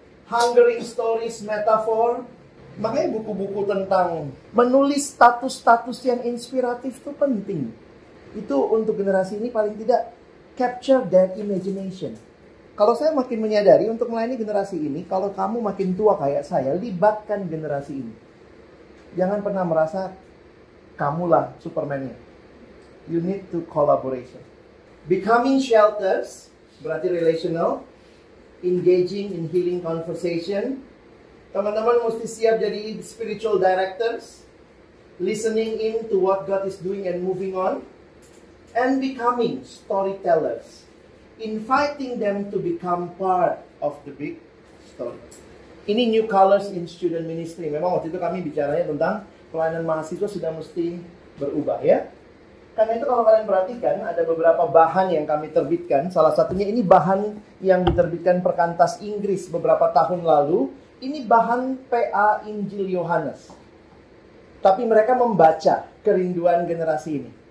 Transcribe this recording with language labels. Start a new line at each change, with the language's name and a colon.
English: Hungering stories, metaphor.
Indonesian: Makanya buku-buku tentang menulis status-status yang inspiratif itu penting. Itu untuk generasi ini paling tidak
English: capture their imagination.
Indonesian: Kalau saya makin menyadari untuk melayani generasi ini, kalau kamu makin tua kayak saya, libatkan generasi ini. Jangan pernah merasa kamulah Superman-nya.
English: You need to collaboration. Becoming shelters,
Indonesian: berarti relational.
English: Engaging in healing conversation.
Indonesian: Teman-teman mesti siap jadi
English: spiritual directors. Listening in to what God is doing and moving on. And becoming storytellers. Inviting them to become part of the big story. Ini new colors in student ministry.
Indonesian: Memang waktu itu kami bicaranya tentang pelayanan mahasiswa sudah mesti berubah ya. Karena itu kalau kalian perhatikan ada beberapa bahan yang kami terbitkan. Salah satunya ini bahan yang diterbitkan Perkantas Inggris beberapa tahun lalu. Ini bahan PA Injil Yohanes. Tapi mereka membaca kerinduan generasi ini.